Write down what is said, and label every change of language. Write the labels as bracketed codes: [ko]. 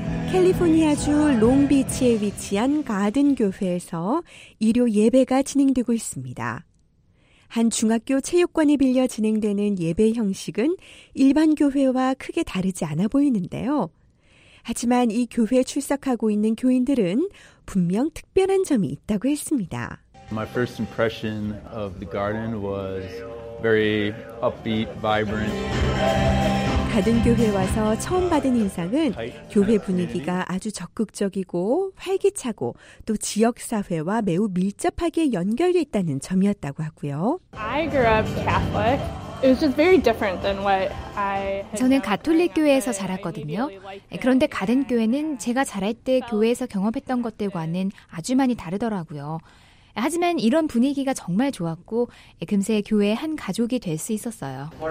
[ko] 캘리포니아주 롱비치에 위치한 가든 교회에서 일요 예배가 진행되고 있습니다. 한 중학교 체육관에 빌려 진행되는 예배 형식은 일반 교회와 크게 다르지 않아 보이는데요. 하지만 이 교회에 출석하고 있는 교인들은 분명 특별한 점이 있다고 했습니다. [en] My first impression of the garden was very upbeat, vibrant. [ko] 가든 교회 와서 처음 받은 인상은 교회 분위기가 아주 적극적이고 활기차고 또 지역 사회와 매우 밀접하게 연결돼 있다는 점이었다고 하고요. [en] I grew up Catholic. It was just very different than what I. [ko] 저는 가톨릭 교회에서 자랐거든요. 그런데 가든 교회는 제가 자랄 때 교회에서 경험했던 것들과는 아주 많이 다르더라고요. 하지만 이런 분위기가 정말 좋았고 금세 교회의 한 가족이 될 수 있었어요.